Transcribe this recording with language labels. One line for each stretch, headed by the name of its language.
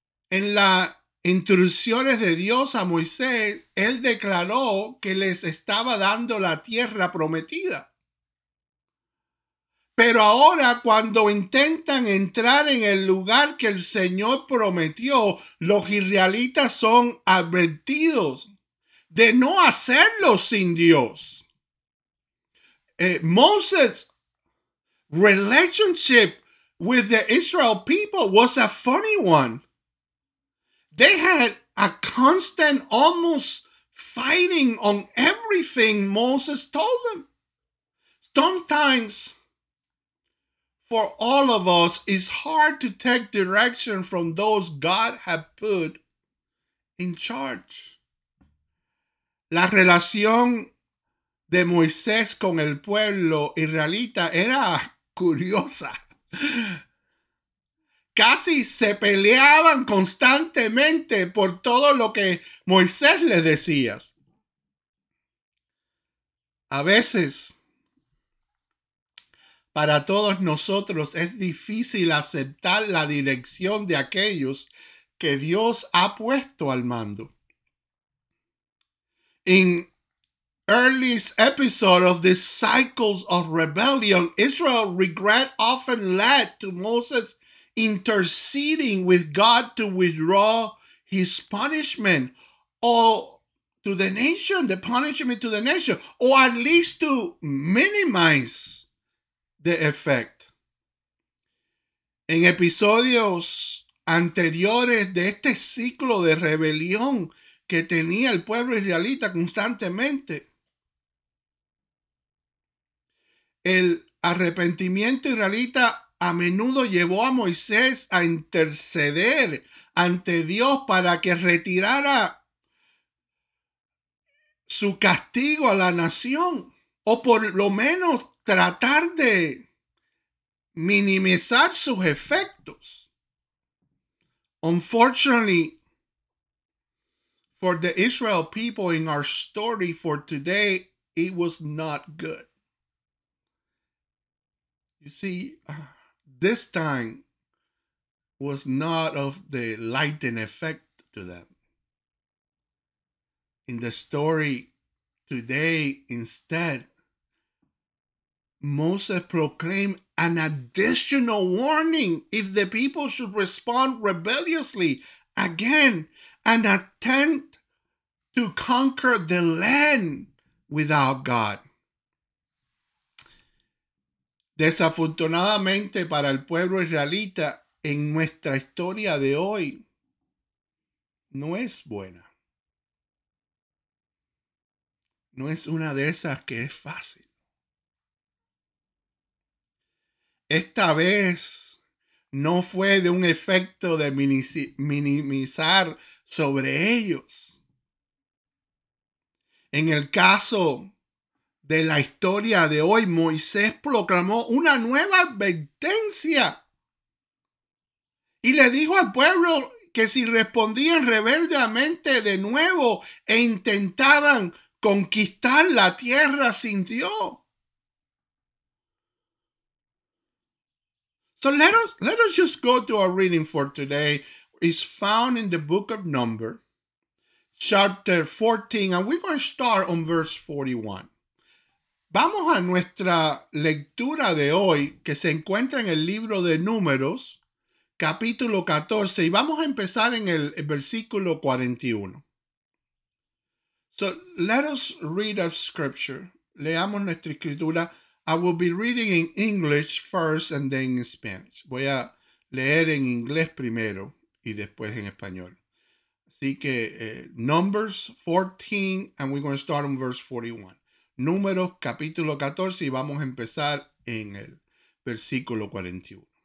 Spanish: En las instrucciones de Dios a Moisés, él declaró que les estaba dando la tierra prometida. Pero ahora, cuando intentan entrar en el lugar que el Señor prometió, los israelitas son advertidos de no hacerlo sin Dios.
English: Moses' relationship with the Israel people was a funny one. They had a constant, almost fighting on everything Moses told them. Sometimes, for all of us, it's hard to take direction from those God has put in charge.
Spanish: La relación de Moisés con el pueblo israelita era curiosa. Casi se peleaban constantemente por todo lo que Moisés les decía. A veces, para todos nosotros es difícil aceptar la dirección de aquellos que Dios ha puesto al mando.
English: In earliest episode of this cycles of rebellion, Israel regret often led to Moses interceding with God to withdraw his punishment or to the nation, the punishment to the nation, or at least to minimize the effect.
Spanish: En episodios anteriores de este ciclo de rebelión que tenía el pueblo israelita constantemente, el arrepentimiento israelita a menudo llevó a Moisés a interceder ante Dios para que retirara su castigo a la nación, o por lo menos tratar de minimizar sus efectos.
English: Unfortunately, for the Israel people in our story for today, it was not good. You see, this time was not of the lightning effect to them. In the story today, instead, Moses proclaimed an additional warning if the people should respond rebelliously again and attempt to conquer the land without God.
Spanish: Desafortunadamente para el pueblo israelita, en nuestra historia de hoy, no es buena. No es una de esas que es fácil. Esta vez no fue de un efecto de minimizar sobre ellos. En el caso de la historia de hoy, Moisés proclamó una nueva advertencia y le dijo al pueblo que si respondían rebeldemente de nuevo e intentaban conquistar la tierra sin Dios.
English: So let us just go to our reading for today. It's found in the book of Numbers, chapter 14, and we're going to start on verse 41.
Spanish: Vamos a nuestra lectura de hoy, que se encuentra en el libro de Números, capítulo 14, y vamos a empezar en el versículo 41.
English: So let us read our scripture.
Spanish: Leamos nuestra escritura.
English: I will be reading in English first and then in Spanish.
Spanish: Voy a leer en inglés primero y después en español. Así que
English: Numbers 14, and we're going to start on verse 41.
Spanish: Números capítulo 14 y vamos a empezar en el versículo 41.